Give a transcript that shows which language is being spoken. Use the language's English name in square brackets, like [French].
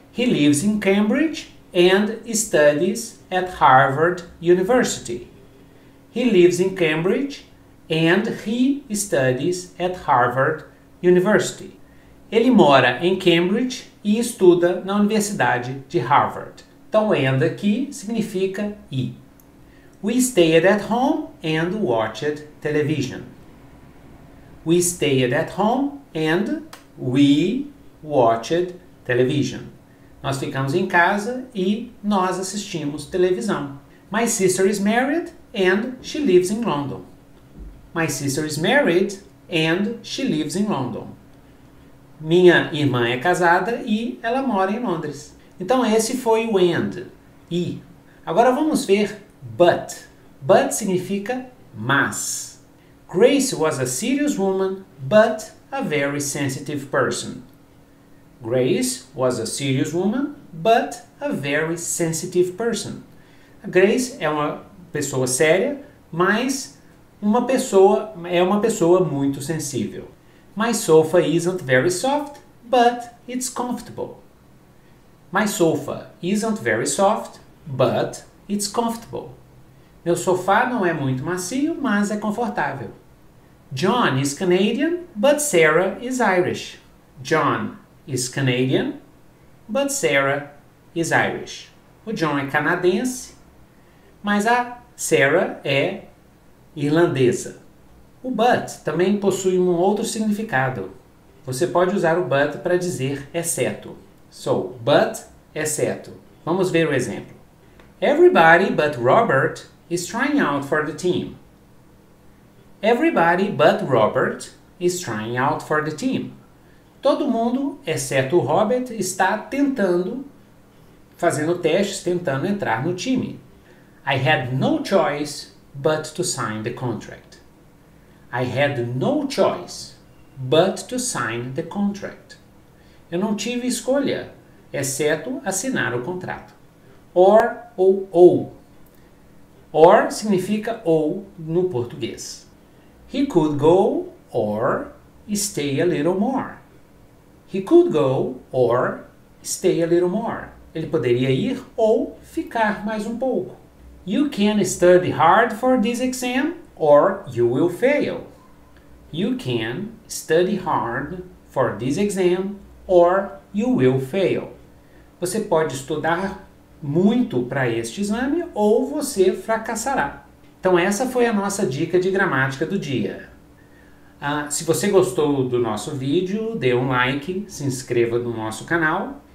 [English] He lives in Cambridge and studies at Harvard University. He lives in Cambridge and he studies at Harvard University. [Portuguese] Ele mora em Cambridge e estuda na Universidade de Harvard. Então, and aqui significa e. [English] We stayed at home and watched television. We stayed at home and we watched television. [Portuguese] Nós ficamos em casa e nós assistimos televisão. [English] My sister is married and she lives in London. My sister is married and she lives in London. [Portuguese] Minha irmã é casada e ela mora em Londres. Então esse foi o and, e. Agora vamos ver but. But significa mas. [English] Grace was a serious woman, but a very sensitive person. Grace was a serious woman, but a very sensitive person. [Portuguese] A Grace é uma pessoa séria, mas é uma pessoa muito sensível. [English] My sofa isn't very soft, but it's comfortable. My sofa isn't very soft, but it's comfortable. [Portuguese] Meu sofá não é muito macio, mas é confortável. [English] John is Canadian, but Sarah is Irish. John is Canadian, but Sarah is Irish. [Portuguese] O John é canadense, mas a Sarah é irlandesa. O but também possui um outro significado. Você pode usar o but para dizer exceto. So, but exceto. Vamos ver o exemplo. [English] Everybody but Robert is trying out for the team. Everybody but Robert is trying out for the team. [Portuguese] Todo mundo, exceto o Robert, está tentando, fazendo testes, tentando entrar no time. [English] I had no choice but to sign the contract. I had no choice but to sign the contract. [Portuguese] Eu não tive escolha, exceto assinar o contrato. Or ou ou. Or significa ou no português. [English] He could go or stay a little more. He could go or stay a little more. [Portuguese] Ele poderia ir ou ficar mais um pouco. [English] You can study hard for this exam or you will fail. You can study hard for this exam or you will fail. [Portuguese] Você pode estudar muito para este exame ou você fracassará. Então essa foi a nossa dica de gramática do dia. Se você gostou do nosso vídeo, dê um like, se inscreva no nosso canal.